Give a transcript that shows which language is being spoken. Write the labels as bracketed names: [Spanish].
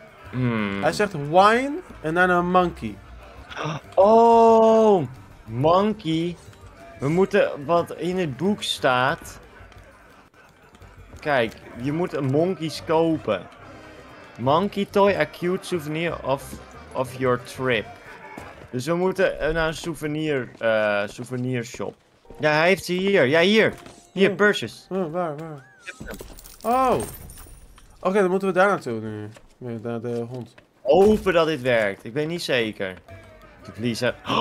[Dutch] Hmm. Hij zegt wine en dan een monkey. Oh, monkey. We moeten wat in het boek staat. Kijk, je moet monkeys kopen. [English] Monkey toy, a cute souvenir of your trip. [Dutch] Dus we moeten naar een souvenir shop. Ja, hij heeft ze hier. Ja, hier. Hier, purses. Waar? Oh. Oké, dan moeten we daar naartoe nu. Nee, naar de hond. Hopen dat dit werkt. Ik ben niet zeker. Lisa.